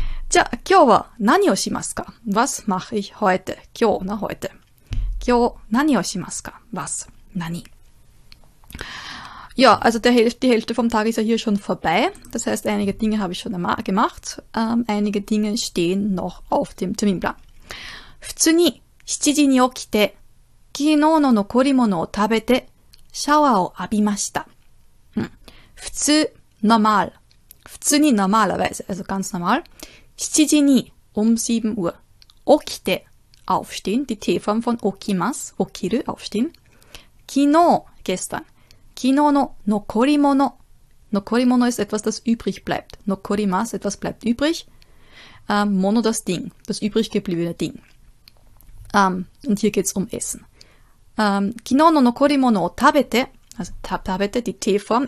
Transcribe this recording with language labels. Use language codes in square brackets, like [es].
[ja] Tja, kyo wa nani o shimasu ka? [de] Was mache ich heute? [ja] Kyo, na heute. Kyo, nani o shimasu ka? Was? Nani? [de] Ja, also die Hälfte vom Tag ist ja hier schon vorbei. Das heißt, einige Dinge habe ich schon einmal gemacht. Einige Dinge stehen noch auf dem Terminplan. [ja] Futsu ni 7時に起きて、昨日の残り物を食べて、シャワーを浴びました。 [de] 普通、normal。普通に normalerweise、also ganz normal。 [ja] 7時に、7時、起きて、 [de] aufstehen、die T-Form von 起きます、起きる、aufstehen。 [ja] 昨日、gestern。昨日の残り物。 [de] 残り物 ist etwas, das übrig bleibt。 残ります、etwas bleibt übrig。物 das Ding、das übrig gebliebene Ding。Und hier geht's um Essen. [ja] Kino no nokori mono tabete, [de] also tabete, die T-Form.